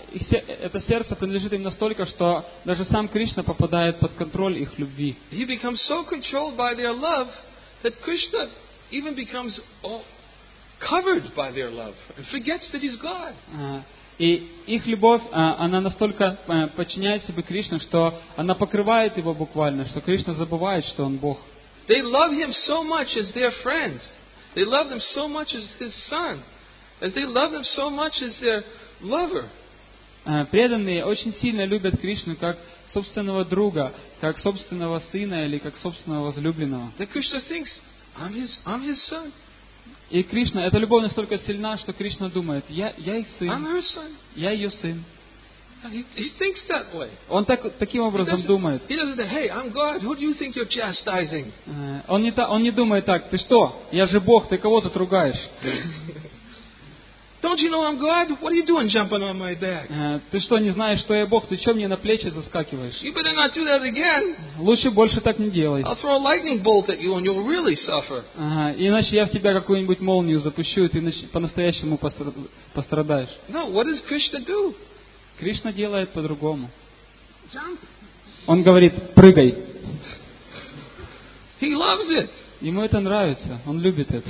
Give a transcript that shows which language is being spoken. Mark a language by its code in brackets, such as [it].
[ru] Это сердце принадлежит им настолько, что даже сам Кришна попадает под контроль их любви. [en] He becomes so controlled by their love that Krishna even becomes covered by their love and forgets that he's God. [ru] И их любовь, она настолько подчиняет себе Кришне, что она покрывает его буквально, что Кришна забывает, что он Бог. [en] They love him so much as their friend. They love them so much as his son. And they love them so much as their lover. [ru] Преданные очень сильно любят Кришну как собственного друга, как собственного сына или как собственного возлюбленного. [en] The Krishna thinks, I'm his son. [ru] И Кришна, эта любовь настолько сильна, что Кришна думает, я их сын. [en] I'm her son. [ru] Я ее сын. [en] He thinks that way. [ru] Он таким образом думает. [en] He doesn't say, hey, I'm God. Who do you think you're chastising? [ru] Он не думает так. Ты что? Я же Бог. Ты кого тут ругаешь? [en] Don't you know I'm God? What are you doing jumping on my back? [ru] Ты что, не знаешь, что я Бог? Ты что, мне на плечи заскакиваешь? [en] You better not do that again. [ru] Лучше больше так не делай. [en] I'll throw a lightning bolt at you and you'll really suffer. [ru] Иначе я в тебя какую-нибудь молнию запущу, и ты по-настоящему пострадаешь. [en] No, what does Krishna do? [ru] Кришна делает по-другому. Он говорит, прыгай. [en] He loves it. [ru] Ему это нравится. Он любит это.